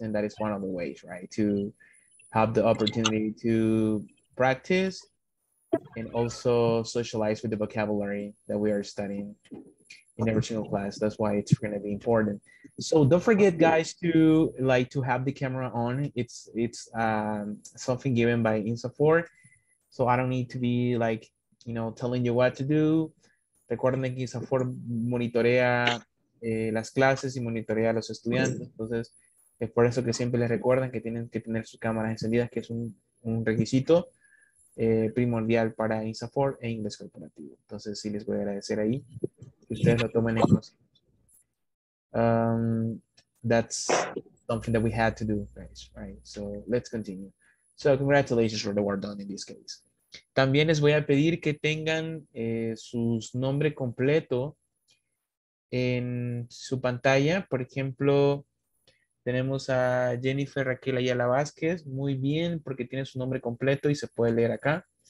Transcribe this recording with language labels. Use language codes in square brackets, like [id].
[en] And that is one of the ways, right, to have the opportunity to practice and also socialize with the vocabulary that we are studying in every single class. That's why it's going to be important. So don't forget, guys, to like to have the camera on. It's something given by Insafor, so I don't need to be like, you know, telling you what to do. [es] Recuerden que Insafor monitorea las clases y monitorea los estudiantes. Entonces es por eso que siempre les recuerdan que tienen que tener sus cámaras encendidas, que es un requisito primordial para Insafor e Inglés Corporativo. Entonces sí les voy a agradecer ahí que ustedes lo tomen en consideración. [en] That's something that we had to do, right? So let's continue. So congratulations for the work done in this case. [es] También les voy a pedir que tengan sus nombre completo en su pantalla. Por ejemplo, tenemos a Jennifer Raquel Ayala Vázquez. Muy bien, porque tiene su nombre completo y se puede leer acá.